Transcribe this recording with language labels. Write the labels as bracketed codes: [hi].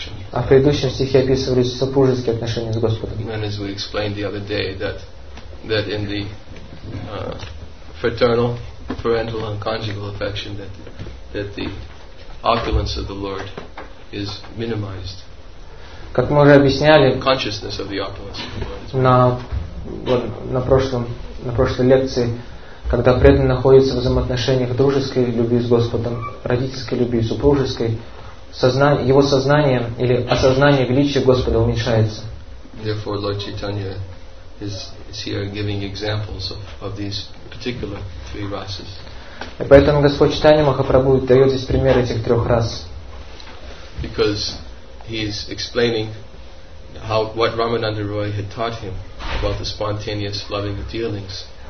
[ru] А в предыдущем стихе описывались супружеские отношения с Господом. [en] And as we explained the other day, that in the fraternal, parental, and conjugal affection, that the opulence of the Lord is minimized. [ru] Как мы уже объясняли, [en] consciousness of the opulence of the Lord. [ru] На прошлой лекции, когда преданный находится в взаимоотношениях дружеской любви с Господом, родительской любви, супружеской, его сознание или осознание величия Господа уменьшается. [en] Therefore, Lord Chaitanya is here giving examples of these particular three rasas. [ru] И поэтому Господь Чайтанья Махапрабху дает здесь пример этих трех рас. [en] Because he is explaining how what Ramananda Roy had taught him about the spontaneous loving dealings.